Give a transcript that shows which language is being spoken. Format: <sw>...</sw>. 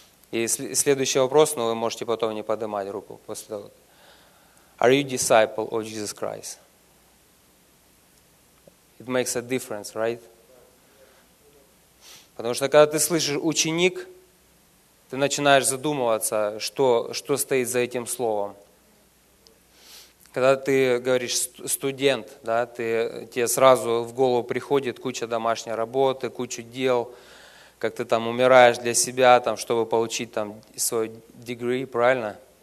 <ru>И следующий вопрос, вы можете потом не поднимать руку после того.</ru> <en>Are you disciple of Jesus Christ? It makes a difference, right?</en> <ru>Потому что когда ты слышишь ученик, ты начинаешь задумываться, что стоит за этим словом. Когда ты говоришь студент, да, тебе сразу в голову приходит куча домашней работы, куча дел, как ты там умираешь для себя, там, чтобы получить там свой degree, правильно?</ru>